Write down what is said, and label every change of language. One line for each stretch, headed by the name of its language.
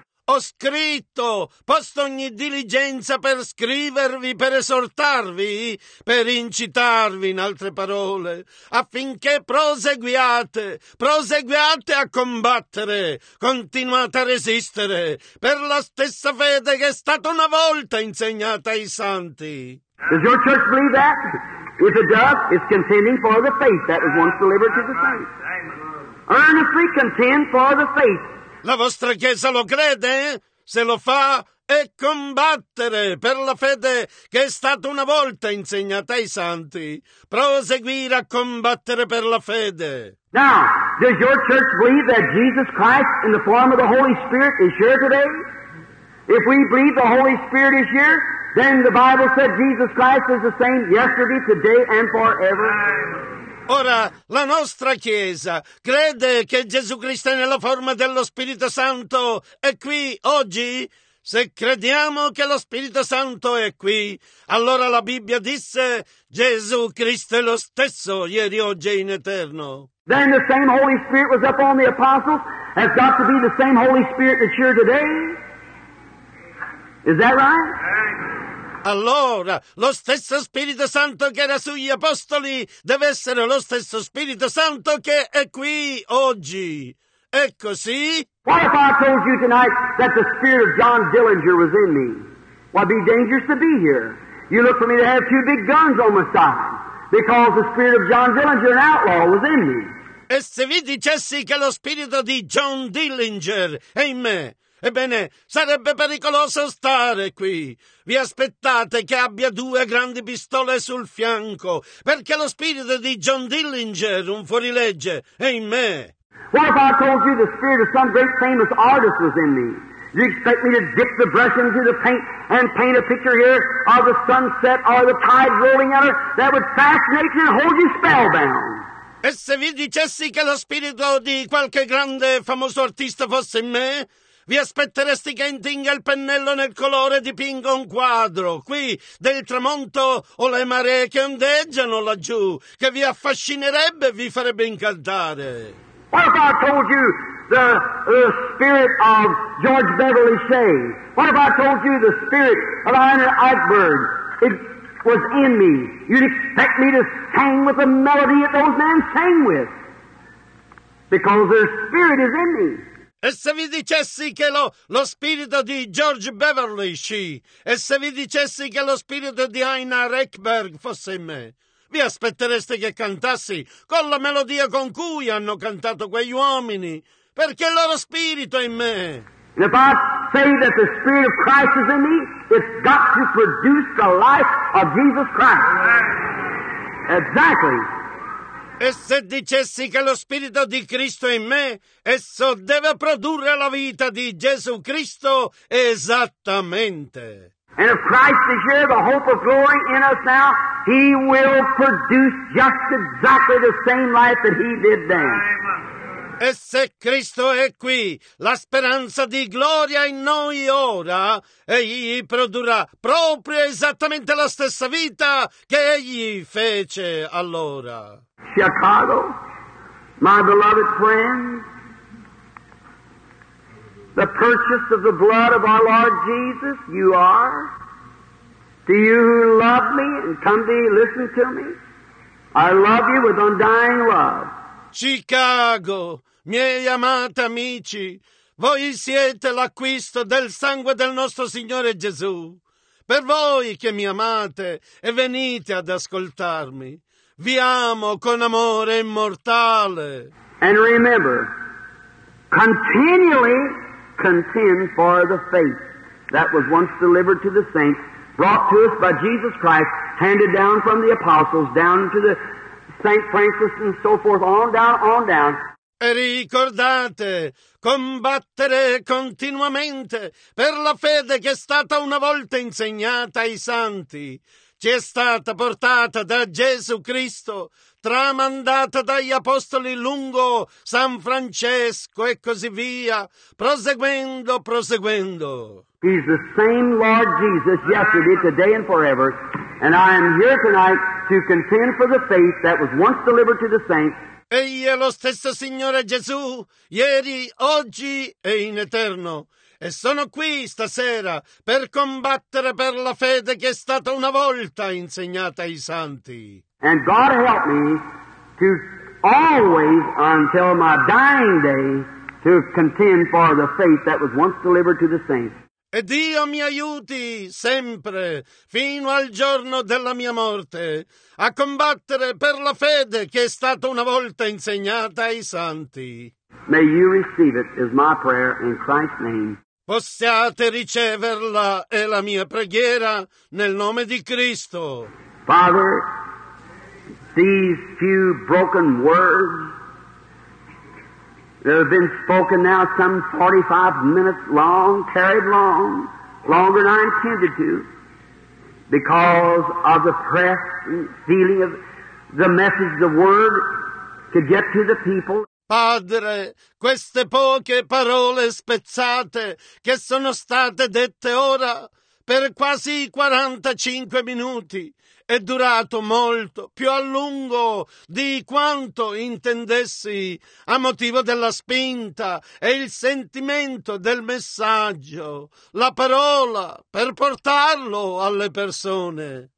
Italian: Ho scritto, posto ogni diligenza per scrivervi, per esortarvi, per incitarvi, in altre parole, affinché proseguiate a combattere, continuate a resistere, per la stessa fede che è stata una volta insegnata ai santi.
English: Does your church believe that? If it does, it's contending for the faith that was once delivered to the saints. Earnestly contend for the faith.
Italian: La vostra Chiesa lo crede? Se lo fa, è combattere per la fede che è stata una volta insegnata ai santi. Proseguire a combattere per la fede.
English: Now, does your church believe that Jesus Christ in the form of the Holy Spirit is here today? If we believe the Holy Spirit is here, then the Bible said Jesus Christ is the same yesterday, today and forever.
Italian: Ora, la nostra Chiesa crede che Gesù Cristo è nella forma dello Spirito Santo è qui oggi? Se crediamo che lo Spirito Santo è qui, allora la Bibbia disse Gesù Cristo è lo stesso ieri, oggi e in eterno.
English: Then the same Holy Spirit was up on the apostles has got to be the same Holy Spirit that's here today. Is that right?
Italian: Allora, lo stesso Spirito Santo che era sugli Apostoli deve essere lo stesso Spirito Santo che è qui oggi. È così?
English: What if I told you tonight that the spirit of John Dillinger was in me? Why, be dangerous to be here. You look for me to have two big guns on my side because the spirit of John Dillinger, an outlaw, was in me.
Italian: E se vi dicessi che lo spirito di John Dillinger è in me? Ebbene, sarebbe pericoloso stare qui. Vi aspettate che abbia due grandi pistole sul fianco, perché lo spirito di John Dillinger, un fuorilegge, è in me.
English: What if I told you the spirit of some great famous artist was in me? You expect me to dip the brush into the paint and paint a picture here of the sunset or the tide rolling out that would fascinate you and hold you spellbound?
Italian: E se vi dicessi che lo spirito di qualche grande famoso artista fosse in me? Vi aspetteresti che intinga il pennello nel colore dipinga un quadro qui del tramonto o le maree che ondeggiano laggiù che vi affascinerebbe e vi farebbe incantare.
English: What if I told you the spirit of George Beverly Shea? What if I told you the spirit of Ernest Eichberg? It was in me. You'd expect me to sing with the melody that those men sang with, because their spirit is in me.
Italian: E se vi dicessi che lo spirito di George Beverly Shea, e se vi dicessi che lo spirito di Einar Ekberg fosse in me, vi aspettereste che cantassi con la melodia con cui hanno cantato quegli uomini, perché il loro spirito è in me.
English: And if I say that the spirit of Christ is in me, it's got to produce the life of Jesus Christ. Exactly.
Italian: E se dicessi che lo Spirito di Cristo è in me, esso deve produrre la vita di Gesù Cristo esattamente.
English: And if Christ is here, the hope of glory in us now, he will produce just exactly the same life that he did then.
Italian: E se Cristo è qui, la speranza di gloria in noi ora, egli produrrà proprio esattamente la stessa vita che egli fece allora.
English: Chicago, my beloved friend, the purchase of the blood of our Lord Jesus, you are. To you who love me and come to listen to me, I love you with undying love.
Italian: Chicago, miei amati amici, voi siete l'acquisto del sangue del nostro Signore Gesù. Per voi che mi amate e venite ad ascoltarmi, vi amo con amore immortale.
English: And remember, continually contend for the faith that was once delivered to the saints, brought to us by Jesus Christ, handed down from the apostles, down to the Saint Francis and so forth, on down, on down.
Italian: E ricordate, combattere continuamente per la fede che è stata una volta insegnata ai santi, ci è stata portata da Gesù Cristo, tramandata dagli apostoli lungo San Francesco e così via, proseguendo, proseguendo.
English: He's the same Lord Jesus yesterday, today and forever, and I am here tonight to contend for the faith that was once delivered to the saints.
Italian: Egli è lo stesso Signore Gesù, ieri, oggi e in eterno. E sono qui stasera per combattere per la fede che è stata una volta insegnata ai santi.
English: And God help me to always, until my dying day, to contend for the faith that was once delivered to the saints.
Italian: E Dio mi aiuti sempre, fino al giorno della mia morte, a combattere per la fede che è stata una volta insegnata ai santi.
English: May you receive it, is my prayer in Christ's name.
Italian: Possiate riceverla, è la mia preghiera, nel nome di Cristo.
English: Father, these few broken words that have been spoken now some 45 minutes long, carried long, longer than I intended to, because of the press and feeling of the message, the word, to get to the people.
Italian: Padre, queste poche parole spezzate che sono state dette ora per quasi 45 minuti è durato molto più a lungo di quanto intendessi a motivo della spinta e il sentimento del messaggio, la parola per portarlo alle persone.